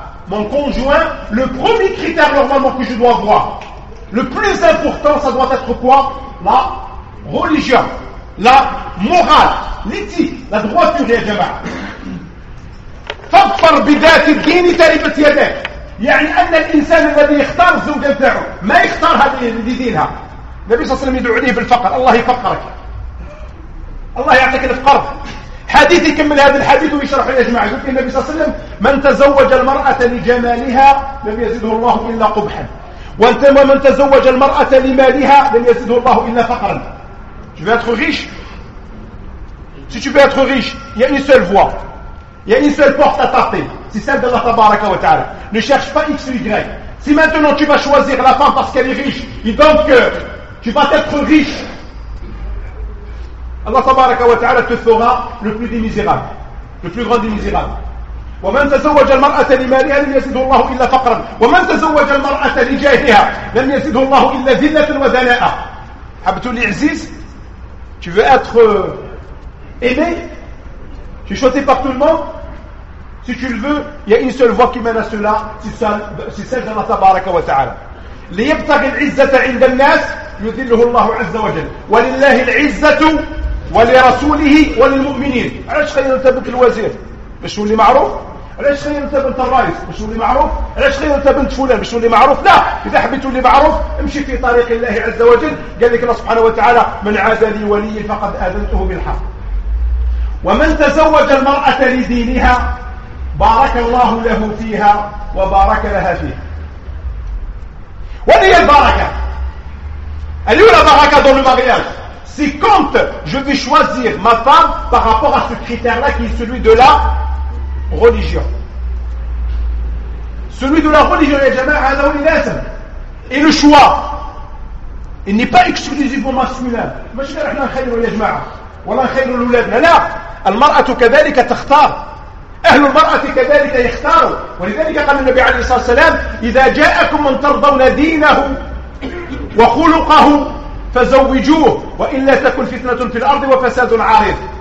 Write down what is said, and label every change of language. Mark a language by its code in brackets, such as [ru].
[fr] mon conjoint, le premier critère normalement que je dois voir, le plus important, ça doit être quoi? La religion, la morale, l'éthique, la droiture des gens. [ar] فاضطر بذات الدين تربت يديه يعني أن الإنسان الذي يختار زوجة ذره ما يختار هذه اللي دينها النبي صلى الله عليه وسلم يدعو عليه بالفقر الله يفقرك الله يعطيك الفقر حديث يكمل هذا الحديث ويشرح يا جماعة قلت النبي صلى الله عليه وسلم من تزوج المرأة لجمالها لم يزده الله إلا قبحا ومن تزوج المرأة لمالها لم يزده الله إلا فقرا [fr] tu veux être riche si tu veux être riche il y a une seule voie. Il y a une seule porte à taper, c'est celle d'Allah Tabaraka wa Ta'ala. Ne cherche pas X ou Y. Si maintenant tu vas choisir la femme parce qu'elle est riche, et donc tu vas être riche, Allah Tabaraka wa Ta'ala te fera le plus des misérables, le plus grand des misérables. [ar] ومن تزوج المرأة لمالها لم يزده الله إلا فقرا. ومن تزوج المرأة لجاهها لم يزده الله إلا ذلة وذناء. حبتو العزيز, [fr] tu veux être aimé? Tu es choisi par tout le monde. Si tu le veux, il y a une seule voie qui mène à cela. C'est celle d'Allah Tabaraka wa Ta'ala. [ar] لِيَبْتَغِ الْعِزَّةَ عِنْدَ النَّاسِ يُذِلُّهُ اللَّهُ عَزَّ وَجَلُ وَلِلَّهِ الْعِزَّةُ وَلِرَسُولِهِ وَلِلْمُؤْمِنِينَ علاش خلينا نتبنت الوزير باش يولي معروف؟ علاش خلينا نتبنت الرئيس باش يولي معروف؟ علاش خلينا نتبنت فلان باش يولي معروف؟ لا, إذا حبيت تولي معروف امشي في طريق الله عز وجل. قال لك الله سبحانه وتعالى من عادى لي وليا فقد آذنته بالحق. ومن تزوج المرأة لدينها بارك الله له فيها وبارك لها فيه. وهي البركة. [fr] Elle est la baraka dans le mariage. C'est quand je vais choisir ma femme par rapport à ce critère-là qui est celui de la religion. Celui de la religion, يا جماعة, [ar] هذا هو لازم. [fr] Et le choix, il n'est pas exclusivement masculin. [ar] ماشي غير احنا نخيروا يا جماعة ولا نخيروا لولادنا, لا. المرأة كذلك تختار, أهل المرأة كذلك يختاروا. ولذلك قال النبي عليه الصلاة والسلام إذا جاءكم من ترضون دينه وخلقه فزوجوه وإلا تكن فتنة في الأرض وفساد عارض.